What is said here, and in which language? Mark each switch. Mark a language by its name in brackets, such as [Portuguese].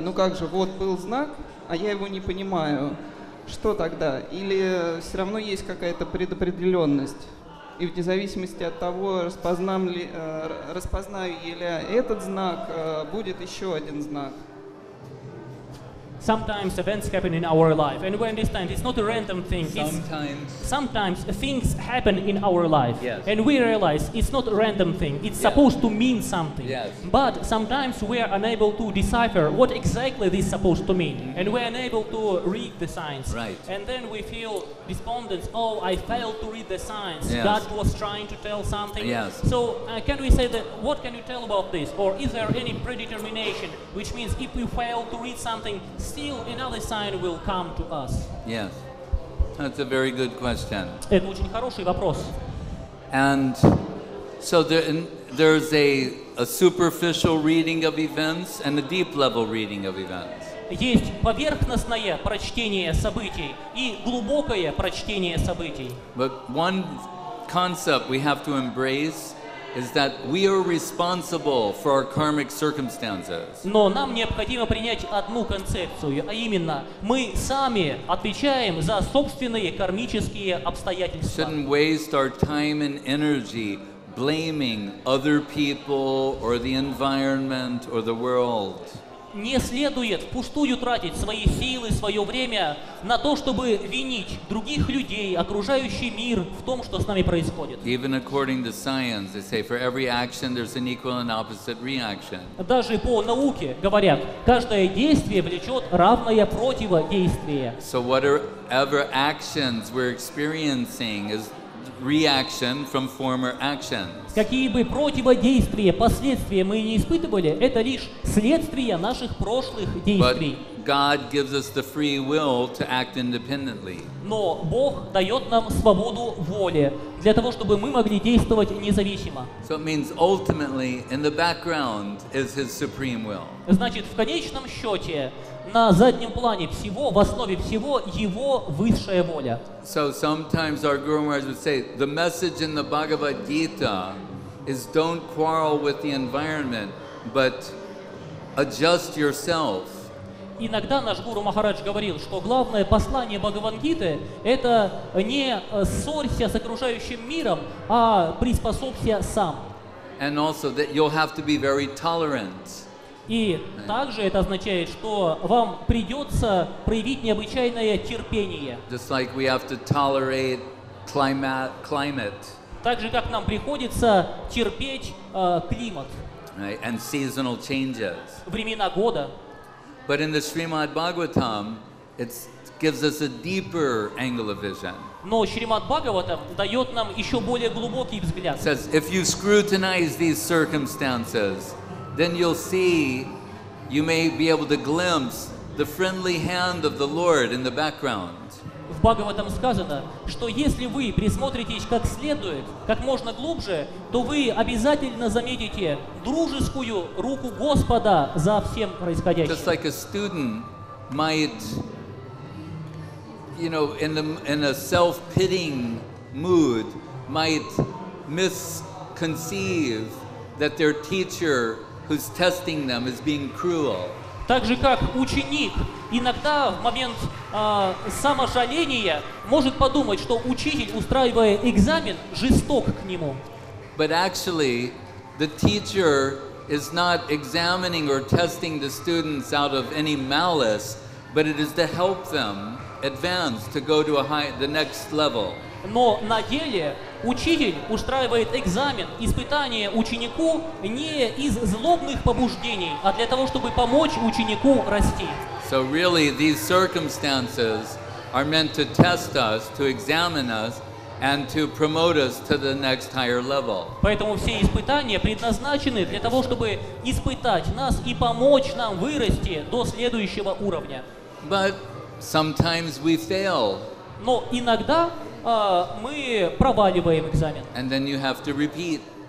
[Russian] Ну как же, вот был знак, а я его не понимаю. Что тогда? Или все равно есть какая-то предопределенность? И вне зависимости от того, распознаю ли я этот знак, будет еще один знак. [English] Sometimes events happen in our life, and we understand it's not a random thing. Sometimes things happen in our life, yes. And we realize it's not a random thing. It's supposed to mean something. Yes. But sometimes we are unable to decipher what exactly this is supposed to mean, mm-hmm. and we are unable to read the signs. Right. And then we feel despondent. Oh, I failed to read the signs. Yes. God was trying to tell something. Yes. So can we say that? What can you tell about this? Or is there any predetermination, which means if we fail to read something? Still, another sign will come to us. Yes, that's a very good question. [Russian] Это очень хороший вопрос. [English] And so there's a superficial reading of events and a deep level reading of events. [Russian] Есть поверхностное прочтение событий и глубокое прочтение событий. [English] But one concept we have to embrace. Is that we are responsible for our karmic circumstances. [Russian] Но нам необходимо принять одну концепцию, а именно мы сами отвечаем за собственные кармические обстоятельства. [English] Shouldn't waste our time and energy blaming other people or the environment or the world. [Russian] Не следует впустую тратить свои силы, свое время на то, чтобы винить других людей, окружающий мир в том, что с нами происходит. [English] Even according to science, they say for every action there's an equal and opposite reaction. [Russian] Даже по науке говорят, каждое действие влечет равное противодействие. [English] So whatever actions we're experiencing is reaction from former actions. [Russian] Какие бы противодействия, последствия мы не испытывали, это лишь следствие наших прошлых действий. [English] But God gives us the free will to act independently. [Russian] Но Бог дает нам свободу воли для того, чтобы мы могли действовать независимо. [English] So it means ultimately in the background is His supreme will. [Russian] Значит, в конечном счете на заднем плане всего, в основе всего, его высшая воля. [English] So sometimes our Guru Maharaj would say, the message in the Bhagavad Gita is don't quarrel with the environment, but adjust yourself. [Russian] Иногда наш Гуру Махарадж говорил, что главное послание Бхагавангиты — это не ссорься с окружающим миром, а приспособься сам. [English] And also that you'll have to be very tolerant. [Russian] И также это означает, что вам придется проявить необычайное терпение. [English] Just like we have to tolerate climate. [Russian] Так же, как нам приходится терпеть климат. [English] Right. And seasonal changes. [Russian] Времена года. [English] But in the Srimad Bhagavatam, it gives us a deeper angle of vision. [Russian] Но Шримад Бхагаватам дает нам еще более глубокий взгляд. [English] Says, if you scrutinize these circumstances, then you'll see, you may be able to glimpse the friendly hand of the Lord in the background. [Russian] В Бхагаватам сказано, что если вы присмотритесь как следует, как можно глубже, то вы обязательно заметите дружескую руку Господа за всем происходящим. [English] Just like a student might, you know, in a self-pitying mood, might misconceive that their teacher who's testing them is being cruel. [Russian] Так же, как ученик иногда в момент саможаления может подумать, что учитель, устраивая экзамен, жесток к нему. [English] But actually, the teacher is not examining or testing the students out of any malice, but it is to help them advance to go to the next level. [Russian] Но на деле учитель устраивает экзамен, испытание ученику не из злобных побуждений, а для того, чтобы помочь ученику расти. [English] So really, these circumstances are meant to test us, to examine us, and to promote us to the next higher level. [Russian] Поэтому все испытания предназначены для того, чтобы испытать нас и помочь нам вырасти до следующего уровня. [English] But sometimes we fail. [Russian] Но иногда мы проваливаем экзамен. [English] And then you have to repeat.